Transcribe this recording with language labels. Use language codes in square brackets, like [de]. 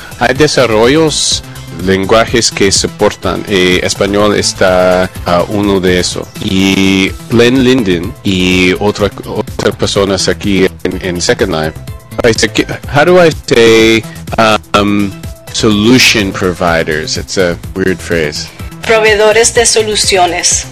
[es] Hay desarrollos, lenguajes que soportan. Español está uno de eso. Y Glenn Linden y otra personas aquí en Second Life. [en] How do I say solution providers? It's a weird phrase. [es] Proveedores de soluciones.